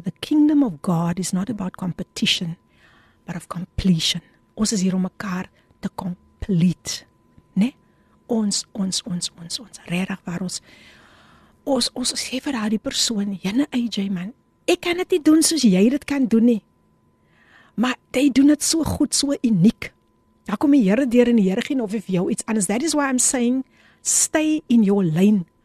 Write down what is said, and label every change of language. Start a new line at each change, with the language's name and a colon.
English: The kingdom of God is not about competition, but of completion.
Afrikaans: Ons is hier om mekaar te complete. Ons regtig waar ons sê vir daardie persoon, jyne AJ man, ek kan dit nie doen soos jy dit kan doen nie. Maar jy doen dit so goed, so uniek. Daar kom die Here deur en die Here gee nou vir jou iets anders.
English: That is why I'm saying stay in your lane.